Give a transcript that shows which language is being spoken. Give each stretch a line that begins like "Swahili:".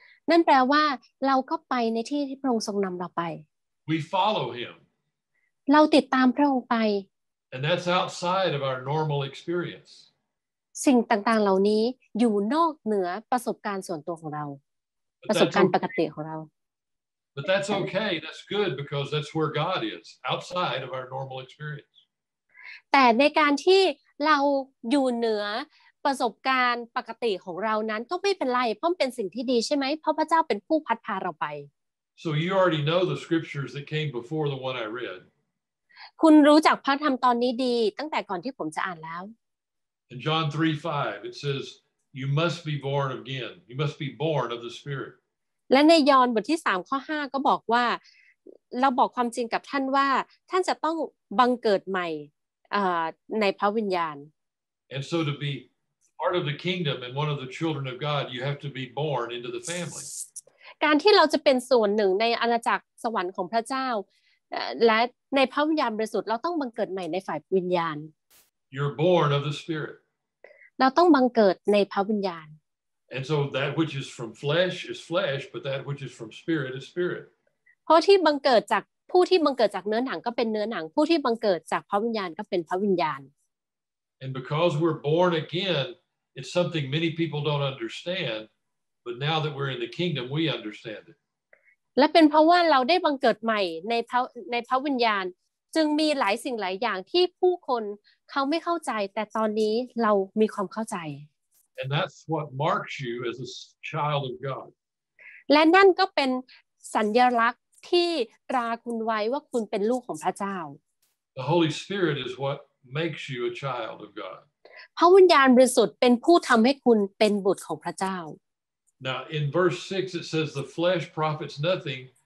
Thai: นั่นแปลว่าเราก็ไปในที่ที่พระองค์ทรงนำเราไป
English: We follow him
Thai: เราติดตามพระองค์ไป
English: And that's outside of our normal experience
Thai: สิ่งต่างๆเหล่านี้อยู่นอกเหนือประสบการณ์ส่วนตัวของเราประสบการณ์ปกติของเรา
English: But that's okay that's good because that's where God is outside of our normal experience
Thai: แต่ในการที่เราอยู่เหนือประสบการณ์ปกติของเรานั้นก็ไม่เป็นไรเพราะเป็นสิ่งที่ดีใช่ไหมเพราะพระเจ้าเป็นผู้พัดพาเราไป
English: So you already know the scriptures that came before the one I read
Thai: คุณรู้จักพระธรรมตอนนี้ดีตั้งแต่ก่อนที่ผมจะอ่านแล้ว
English: In John 3:5 it says you must be born again you must be born of the spirit
Thai: และในยอห์นบทที่3ข้อ5ก็บอกว่าเราบอกความจริงกับท่านว่าท่านจะต้องบังเกิดใหม่ในพระวิญญาณ
English: And so to bePart of the kingdom and one of the children of God, you have to be born into the family.
Thai: การที่เราจะเป็นส่วนหนึ่งในอาณาจักรสวรรค์ของพระเจ้าและในพระวิญญาณบริสุทธิ์เราต้องบังเกิดใหม่ในฝ่ายวิญญาณ
English: You're born of the Spirit.
Thai: เราต้องบังเกิดในพระวิญญาณ
English: And so that which is from flesh is flesh, but that which is from spirit is spirit.
Thai: เพราะที่บังเกิดจากผู้ที่บังเกิดจากเนื้อหนังก็เป็นเนื้อหนังผู้ที่บังเกิดจากพระวิญญาณก็เป็นพระวิญญาณ
English: And because we're born again, it's something many people don't understand. But now that we're in the kingdom, we understand it.
Thai: และเป็นเพราะว่าเราได้บังเกิดใหม่ในพระวิญญาณจึงมีหลายสิ่งหลายอย่างที่ผู้คนเขาไม่เข้าใจแต่ตอนนี้เรามีความเข้าใจ
English: And that's what marks you as a child of God.
Thai: และนั่นก็เป็นสัญลักษณ์ที่ตราคุณไว้ว่าคุณเป็นลูกของพระเจ้า
English: The Holy Spirit is what. Makes you a child of God.
Thai: พระวิญญาณบริสุทธิ์เป็นผู้ทำให้คุณเป็นบุตรของพระเจ้า
English: Now in verse 6 it says the flesh profits nothing.